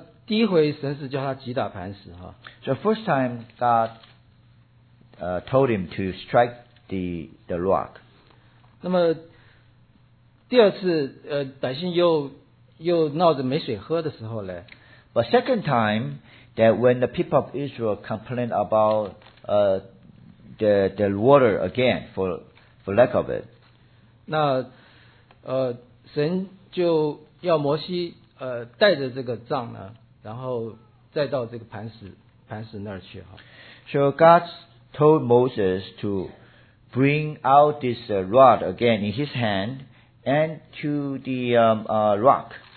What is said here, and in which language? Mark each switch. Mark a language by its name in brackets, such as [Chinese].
[Chinese] 那第一回神是叫他击打磐石。So [English] first time God told him to strike the rock. [Chinese] 那么第二次百姓又闹着没水喝的时候呢？ [English] But second time that when the people of Israel complained about the water again for lack of it. [Chinese] 那神就要摩西带着这个杖呢。然后再到这个磐石那儿去。 So [English] God told Moses to bring out this rod again in his hand and to the rock.